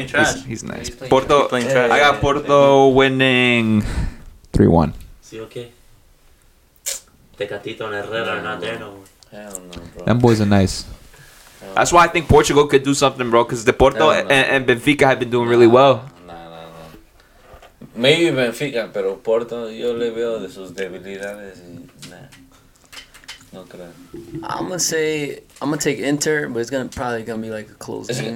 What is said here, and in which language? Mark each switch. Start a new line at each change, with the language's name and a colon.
English: He's nice. Yeah, he's Porto. Yeah, I got Porto winning 3-1. See, okay. Tecatito and Herrera are not there, no. Hell no, them boys are nice. That's why I think Portugal could do something, bro, because Deporto and Benfica have been doing really well. Nah. Maybe Benfica,
Spanish: pero Porto, yo le veo de sus debilidades. Nah. No creo.
English: I'm going to take Inter, but it's gonna probably going to be like a close game.